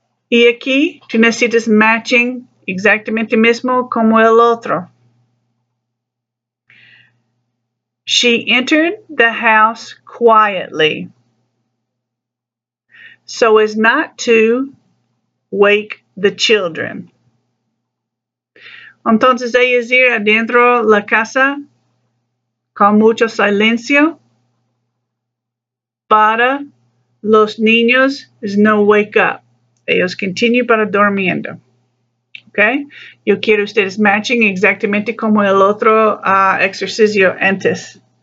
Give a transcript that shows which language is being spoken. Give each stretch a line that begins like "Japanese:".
Spanish: Y aquí, tú necesitas matching exactamente mismo como el otro.
English: She entered the house quietly so as not to wake the children.
Spanish: Entonces ellos ir adentro la casa con mucho silencio para los niños
English: is no wake up.
Spanish: Ellos continúan para durmiendo. Okay? Yo quiero ustedes matching exactamente como el otro exercicio antes.